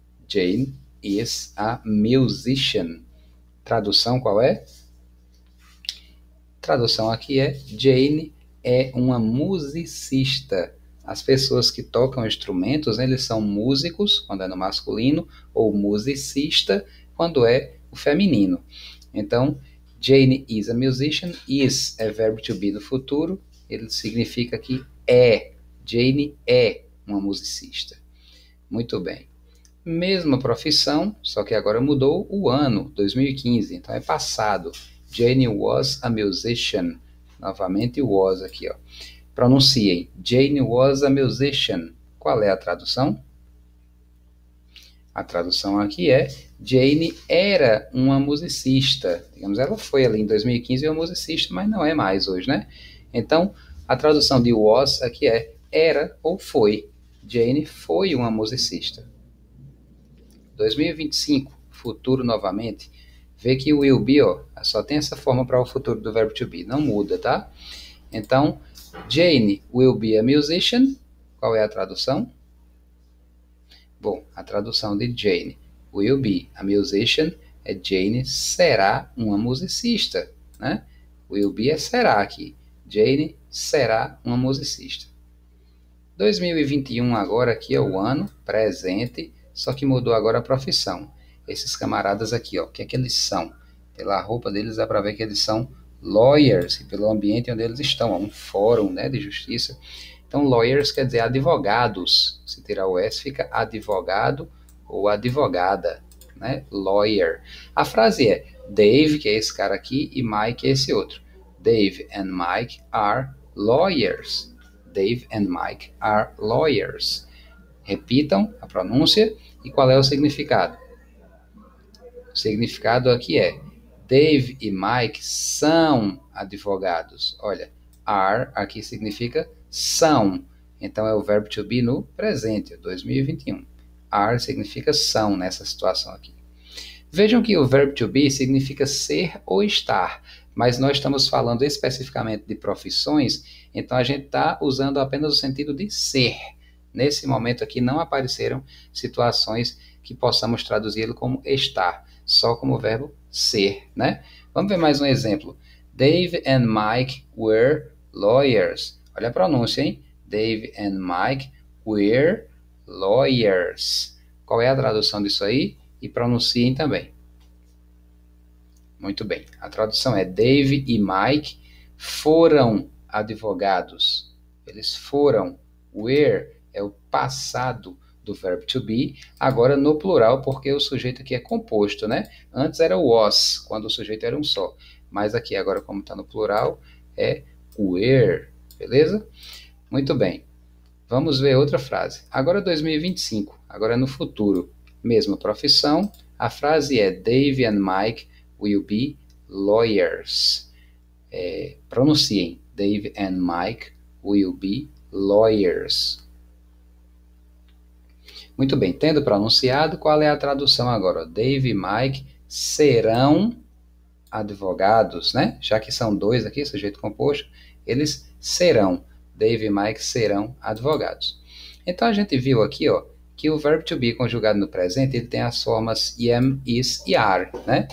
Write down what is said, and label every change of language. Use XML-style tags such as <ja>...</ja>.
<en>Jane is a musician.</en> <pt>Tradução qual é? Tradução aqui é Jane é uma musicista. As pessoas que tocam instrumentos, né, eles são músicos quando é no masculino ou musicista quando é o feminino.</pt> <en>Então, Jane is a musician.</en> <pt>Is é verbo to be no futuro. Ele significa que é. Jane é uma musicista. Muito bem. Mesma profissão, só que agora mudou o ano, 2015. Então é passado.</pt> <en>Jane was a musician.</en> <pt>Novamente was aqui, ó. Pronunciem.</pt> <en>Jane was a musician.</en> <pt>Qual é a tradução? A tradução aqui é Jane era uma musicista. Digamos, ela foi ali em 2015 uma musicista, mas não é mais hoje, né? Então, a tradução de was aqui é era ou foi. Jane foi uma musicista. 2025, futuro novamente. Vê que o will be, ó, só tem essa forma para o futuro do verbo to be. Não muda, tá?</pt> <en>Então, Jane will be a musician.</en> <pt>Qual é a tradução? Bom, a tradução de</pt> <en>Jane will be a musician</en> <pt>é Jane será uma musicista, né? Will be é será aqui. Jane será uma musicista. 2021 agora aqui é o ano presente, só que mudou agora a profissão. Esses camaradas aqui, ó, o que é que eles são? Pela roupa deles dá para ver que eles são lawyers e pelo ambiente onde eles estão, ó, um fórum, né, de justiça. Então lawyers quer dizer advogados. Se tirar o S fica advogado ou advogada, né? Lawyer. A frase é Dave, que é esse cara aqui, e Mike é esse outro.</pt> <en>Dave and Mike are lawyers. Dave and Mike are lawyers.</en> <pt>Repitam a pronúncia e qual é o significado? O significado aqui é Dave e Mike são advogados. Olha, are aqui significa são. Então, é o verbo to be no presente, 2021. Are significa são nessa situação aqui. Vejam que o verbo to be significa ser ou estar, mas nós estamos falando especificamente de profissões, então a gente está usando apenas o sentido de ser. Nesse momento aqui não apareceram situações que possamos traduzi-lo como estar, só como o verbo ser, né? Vamos ver mais um exemplo.</pt> <en>Dave and Mike were lawyers.</en> <pt>Olha a pronúncia, hein?</pt> <en>Dave and Mike were lawyers.</en> <pt>Qual é a tradução disso aí? E pronunciem também. Muito bem. A tradução é Dave e Mike foram advogados. Eles foram. Were é o passado do verbo to be. Agora no plural, porque o sujeito aqui é composto, né? Antes era was, quando o sujeito era um só. Mas aqui agora, como está no plural, é were. Beleza? Muito bem. Vamos ver outra frase. Agora 2025. Agora no futuro. Mesma profissão, a frase é</pt> <en>Dave and Mike will be lawyers. É, pronunciem, Dave and Mike will be lawyers.</en> <pt>Muito bem, tendo pronunciado, qual é a tradução agora? Dave e Mike serão advogados, né? Já que são dois aqui, sujeito composto, eles serão. Dave e Mike serão advogados. Então, a gente viu aqui, ó, que o verbo to be conjugado no presente, ele tem as formas am, is e are, né?</pt>